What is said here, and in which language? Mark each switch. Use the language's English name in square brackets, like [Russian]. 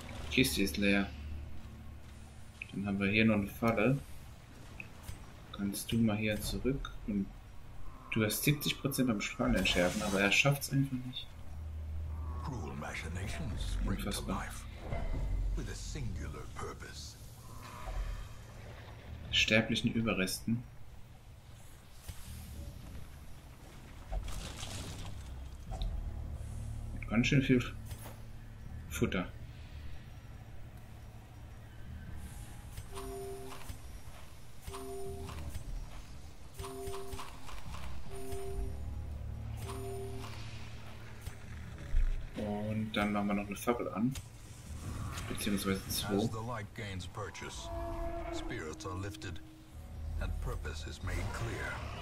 [German] Die Kiste ist leer. Dann haben wir hier noch eine Falle. Kannst du mal hier zurück? Und du hast 70% beim Strahlen entschärfen, aber er schafft es einfach nicht. [English] Cruel machinations bring to life with a singular purpose. [German] Sterblichen Überresten. Ganz schön viel Futter. Und dann machen wir noch eine Fackel an, beziehungsweise zwei. [English] As the light gains purchase, spirits are lifted and purpose is made clear.